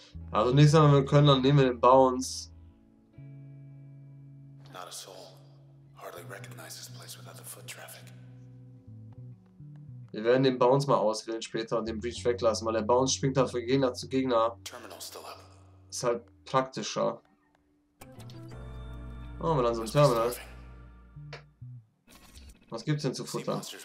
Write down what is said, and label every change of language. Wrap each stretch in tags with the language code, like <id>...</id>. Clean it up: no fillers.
<de>Also nächstes Mal, wenn wir können, dann nehmen wir den Bounce.</de> <en>Not a soul. Hardly recognize this place without the foot traffic.</en> <de>Wir werden den Bounce mal auswählen später und den Breach weglassen, weil der Bounce springt halt von Gegner zu Gegner.</de> <en>Terminal still up.</en> <de>Ist halt praktischer. Machen wir dann so ein Terminal. Was gibt's denn zu futtern?</de>